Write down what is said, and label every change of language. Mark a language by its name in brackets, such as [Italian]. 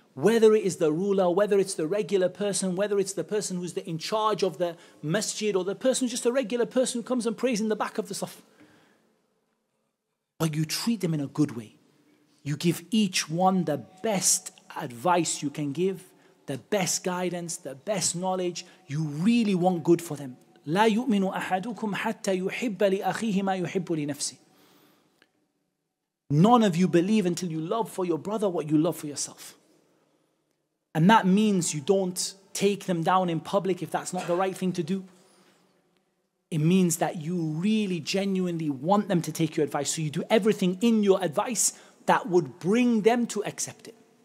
[English] whether it is the ruler, whether it's the regular person, whether it's the person who's in charge of the masjid, or the person who's just a regular person who comes and prays in the back of the saf. But you treat them in a good way. You give each one the best advice you can give, the best guidance, the best knowledge. You really want good for them. [Arabic] لا يؤمن أحدكم حتى يحب لأخيه ما يحب لنفسه. [English] None of you believe until you love for your brother what you love for yourself. And that means you don't take them down in public if that's not the right thing to do. It means that you really genuinely want them to take your advice. So you do everything in your advice that would bring them to accept it.